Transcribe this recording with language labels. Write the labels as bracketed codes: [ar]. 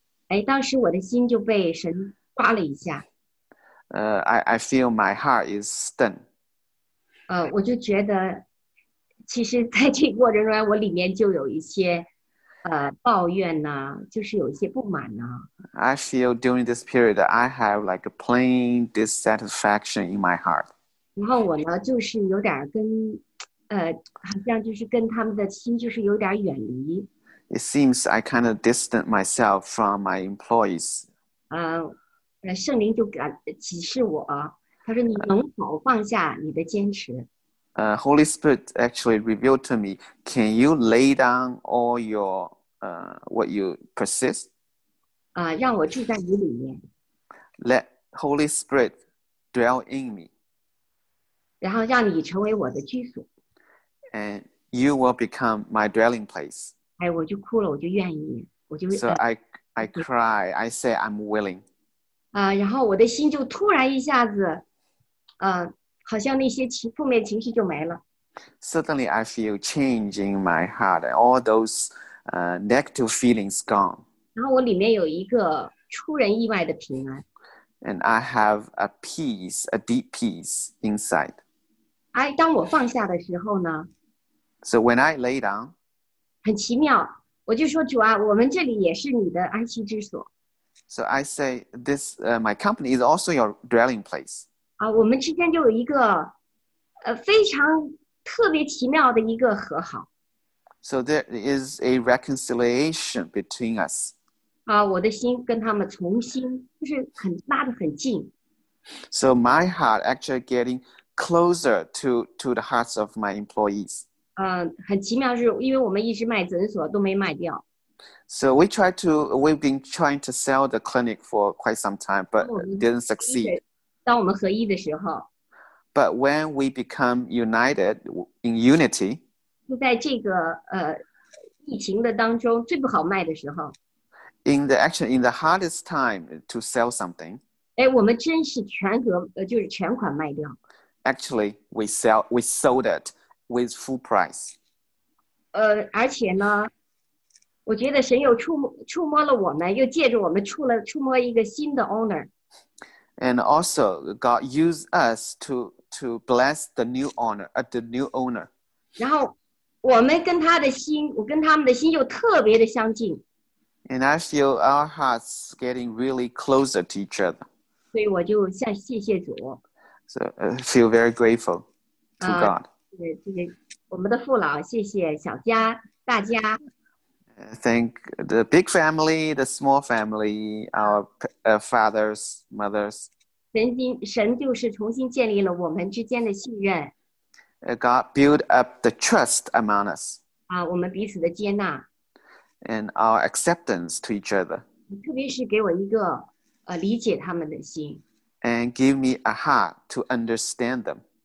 [zh] 哎，当时我的心就被神刮了一下。 [en] I feel my heart is stung. [zh] 我就觉得，其实在这个过程中，我里面就有一些抱怨呢，就是有一些不满呢。 [en] I feel during this period that I have like a plain dissatisfaction in my heart. [zh] 然后我呢，就是有点跟，好像就是跟他们的心就是有点远离。 [en] It seems I kind of distant myself from my employees. [zh] 圣灵就启示我，他说你能否放下你的坚持。 [en] Holy Spirit actually revealed to me, can you lay down all your, what you persist? [zh] 让我住在你里面。 [en] Let Holy Spirit dwell in me. [zh] 然后让你成为我的居所。 [en] And you will become my dwelling place. [zh] 哎，我就哭了，我就愿意，我就。 [en] So I cry, I say I'm willing. [zh] 然后我的心就突然一下子，好像那些负面情绪就没了。 [en] Suddenly I feel change in my heart, all those negative feelings gone. [zh] 然后我里面有一个出人意外的平安。 [en] And I have a peace, a deep peace inside. [zh] 当我放下的时候呢 [en] ？So when I lay down. [zh] 很奇妙，我就说主啊，我们这里也是你的安息之所。 [en] So I say this, my company is also your dwelling place. [zh] 我们之间就有一个非常特别奇妙的一个和好。 [en] So there is a reconciliation between us. [zh] 我的心跟他们重新就是很拉得很近。 [en] So my heart actually getting closer to the hearts of my employees. [zh] 很奇妙是因为我们一直卖诊所都没卖掉。 [en] So we've been trying to sell the clinic for quite some time, but didn't succeed. [zh] 当我们合一的时候 [en] ，But when we become united in unity， [zh] 就在这个疫情的当中最不好卖的时候 [en] ，In the hardest time to sell something， [zh] 哎，我们真是全额就是全款卖掉。 [en] Actually, we sold it with full price。 [zh] 而且呢，我觉得神又触摸了我们，又借着我们触摸一个新的 owner。 [en] And also, God used us to bless the new owner. Then, [zh] 我们跟他的心，我跟他们的心又特别的相近。 [en] And I feel our hearts getting really closer to each other. [zh] 所以我就向谢谢主。 [en] So feel very grateful to God. [zh] 这个我们的父老，谢谢小家大家。 [en] Thank the big family, the small family, our fathers, mothers. [zh] 神就是重新建立了我们之间的信任。 [en] God built up the trust among us. [zh] 我们彼此的接纳。 [en] And our acceptance to each other. [zh] 特别是给我一个理解他们的心。 [en] And give me a heart to understand them.